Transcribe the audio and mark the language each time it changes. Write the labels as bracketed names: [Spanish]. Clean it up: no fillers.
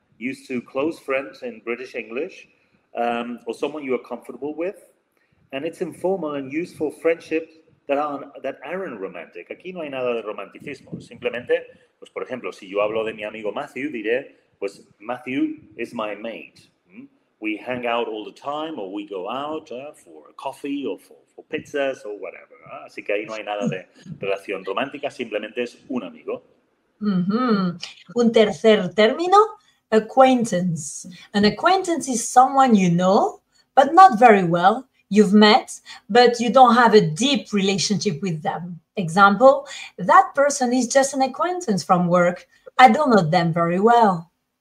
[English] used to close friends in British English, or someone you are comfortable with. And it's informal and used for friendships that aren't romantic. [Spanish] Aquí no hay nada de romanticismo. Simplemente, pues por ejemplo, si yo hablo de mi amigo Matthew, diré, pues [English] Matthew is my mate. We hang out all the time, or we go out for a coffee, or for pizzas, or whatever. [Spanish] Así que ahí no hay nada de relación romántica, simplemente es un amigo. Mm-hmm. Un tercer término, acquaintance. [English] An acquaintance is someone you know, but not very well. You've met, but you don't have a deep relationship with them. Example, that person is just an acquaintance from work. I don't know them very well.